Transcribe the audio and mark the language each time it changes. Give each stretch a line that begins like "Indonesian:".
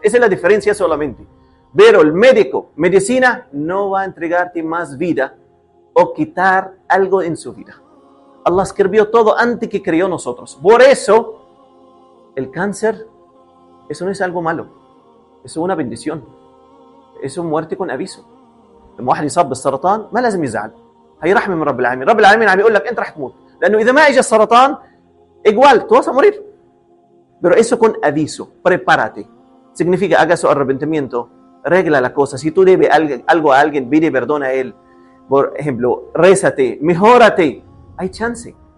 Spanish: Esa es la diferencia solamente. Pero el médico, medicina, no va a entregarte más vida o quitar algo en su vida. Allah escribió todo antes que creó nosotros. Por eso, el cáncer, eso no es algo malo. Eso es una bendición. Eso es muerte con aviso.
Arabic: El واحد يصاب بالسرطان ما لازم يزعل. هي رحمة من رب العالمين. رب العالمين عم يقول لك انت رح تموت. لأنه إذا ما اجى السرطان
Spanish: igual, tú vas a morir. Pero eso con aviso, prepárate. Significa, haga su arrepentimiento, regla la cosa. Si tú debes algo a alguien, pide perdón a él. Por ejemplo, rézate, mejórate. Hay chance.